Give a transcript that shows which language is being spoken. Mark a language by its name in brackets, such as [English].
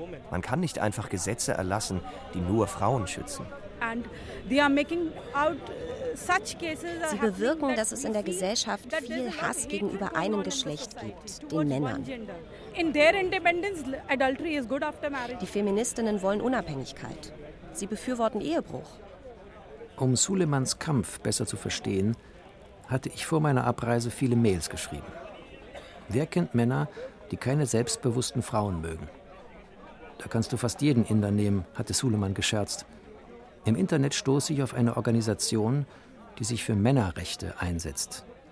[German] Man kann nicht einfach Gesetze erlassen, die nur Frauen schützen. [English] And they are making out such cases. [German] Sie bewirken, dass es in der Gesellschaft viel Hass gegenüber einem Geschlecht gibt, den Männern. [English] In their independence, adultery is good after marriage. [German] Die Feministinnen wollen Unabhängigkeit. Sie befürworten Ehebruch. Um Sulemans Kampf besser zu verstehen, hatte ich vor meiner Abreise viele Mails geschrieben. Wer kennt Männer, die keine selbstbewussten Frauen mögen? Da kannst du fast jeden Inder nehmen, hatte Suleman gescherzt. Im Internet stoße ich auf eine Organisation, die sich für Männerrechte einsetzt.